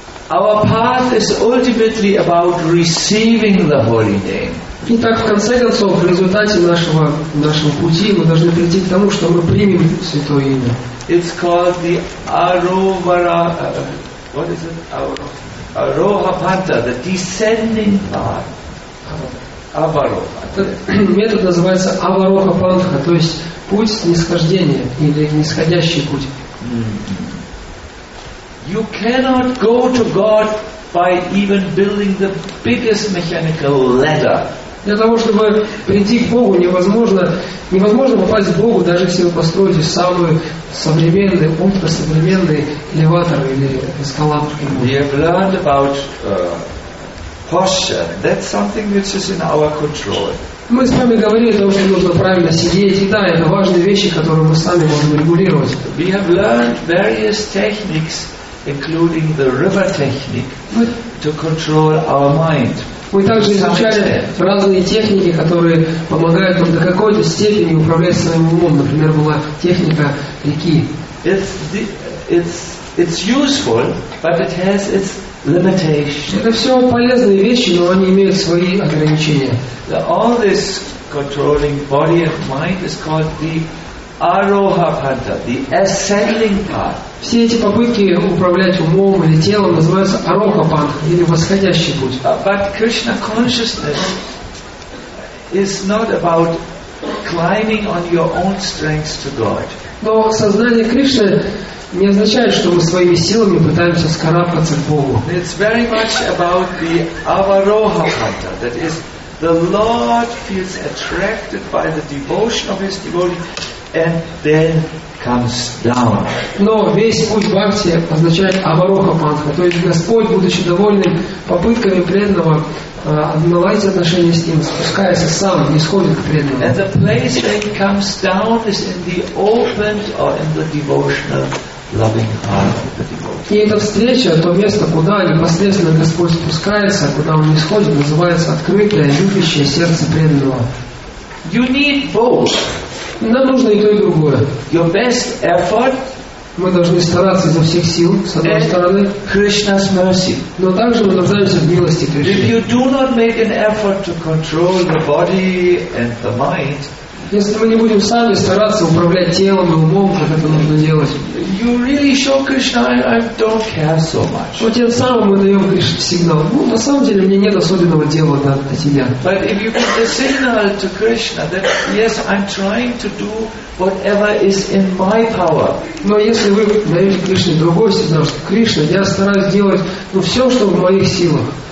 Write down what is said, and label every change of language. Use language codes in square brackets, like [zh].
[en] Our path is ultimately about receiving the holy name. [ru] Итак, в конце концов, в результате нашего пути мы должны прийти к тому, что мы примем святое имя. [en] It's called the Arohara. What is it? Arohapanta, the descending path. Аварохапанта. [ru] Метод называется Аварохапанта, то есть путь снисхождения или нисходящий путь. [en] You cannot go to God by even building the biggest mechanical ladder. [ru] Для того, чтобы прийти к Богу, невозможно попасть к Богу, даже если вы построите самый современный, ультрасовременный элеватор или эскалатор. [en] We have learned about posture. That's something which is in our control. [ru] Мы с вами говорили о том, что нужно правильно сидеть. И да, это важные вещи, которые мы сами можем регулировать. [en] We have learned various techniques, including the river technique, to control our mind. [ru] Мы также изучали разные техники, которые помогают нам до какой-то степени управлять своим умом. Например, была техника реки. [en] It's useful, but it has its limitations. [ru] Это все полезные вещи, но они имеют свои ограничения. [en] All this controlling body and mind is called the Arohapanta, the ascending path. [ru] Все эти попытки управлять умом или телом называются Арохапанта, или восходящий путь. [en] But Krishna consciousness is not about climbing on your own strength to God. [ru] Но сознание Кришны не означает, что мы своими силами пытаемся скарабкаться к Богу. [en] It's very much about the Avarohapanta, that is, the Lord feels attracted by the devotion of his devotee and then comes down. [ru] Но весь путь бхакти означает Аварохапанха, то есть Господь, будучи довольным попытками преданного наладить отношения с ним, спускается сам, не сходит к преданному. [en] And the place that he comes down is in the open or in the devotional loving heart of the devotee. [ru] И эта встреча, то место, куда непосредственно Господь спускается, куда он не сходит, называется открытое, любящее сердце преданного. [en] You need both. [ru] Нам нужно и то, и другое. [en] Your best effort, [ru] мы должны стараться изо всех сил, с одной стороны, [en] Krishna's mercy. [ru] Но также мы нуждаемся в милости Кришны. [en] If you do not make an effort to control the body and the mind, [ru] если мы не будем сами стараться управлять телом и умом, как это нужно делать, [en] you really show Krishna, I don't care so much. [ru] Но тем самым мы даем Кришне сигнал. Ну, на самом деле, мне нет особенного дела на тебя. [en] But if you give the signal to Krishna that yes, I'm trying to do whatever is in my power. [ru] Но если вы даете Кришне другой сигнал, что Кришна, я стараюсь делать ну, все, что в моих силах.